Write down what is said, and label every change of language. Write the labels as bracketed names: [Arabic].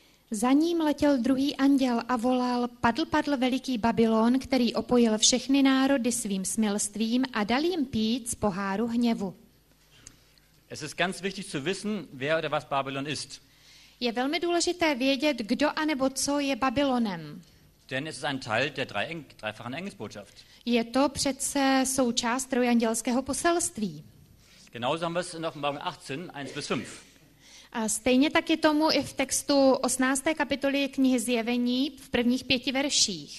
[Czech] Za ním letěl druhý anděl a volal, padl veliký Babylon, který opojil všechny národy svým smilstvím a dal jim pít z poháru hněvu. [German] Es ist ganz wichtig zu wissen, wer oder was Babylon ist. [Czech] Je velmi důležité vědět, kdo a nebo co je Babylonem. [German] Denn es ist ein Teil der dreifachen Engelsbotschaft. [Czech] Je to přece součást trojandělského poselství. [German] Genauso haben wir es in Offenbarung 18, 1 bis 5. [Czech] A stejně tak je tomu i v textu 18. kapitoly knihy Zjevení v prvních pěti verších.